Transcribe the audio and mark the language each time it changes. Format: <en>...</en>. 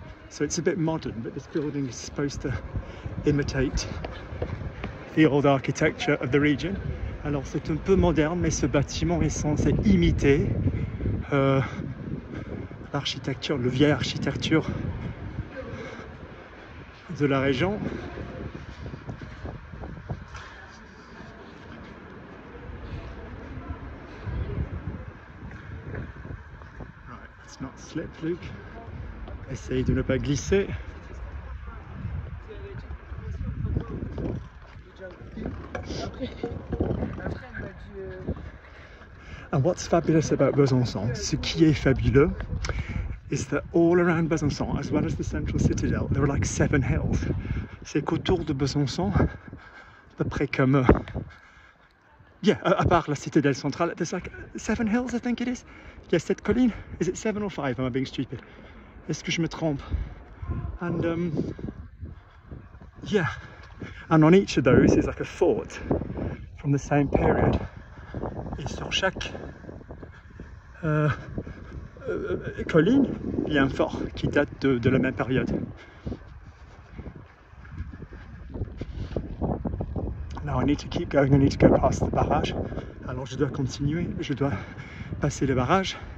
<en>So it's a bit modern, but this building is supposed to imitate the old architecture of the region.</en> <fr>Alors c'est un peu moderne, mais ce bâtiment est censé imiter l'architecture, la vieille architecture de la région.</fr> <en>Right, let's not slip, Luke.</en> <fr>Essaye de ne pas glisser.</fr> <en>And what's fabulous about Besançon?</en> <fr>Ce qui est fabuleux</fr> <en>is that all around Besançon, as well as the central citadel, there are like seven hills.</en> <fr>C'est qu'autour de Besançon, à peu près comme...</fr> <en>Yeah,</en> <fr>à part la citadelle centrale,</fr> <en>there's like seven hills, I think it is.</en> <fr>Il y a sept collines.</fr> <en>Is it seven or five? Am I being stupid?</en> <fr>Est-ce que je me trompe?</fr> <en>And, yeah. And on each of those is like a fort from the same period.</en> <fr>Et sur chaque colline, il y a un fort qui date de la même période.</fr> <en>Now I need to keep going, I need to go past the barrage.</en> <fr>Alors je dois continuer, je dois passer le barrage.</fr>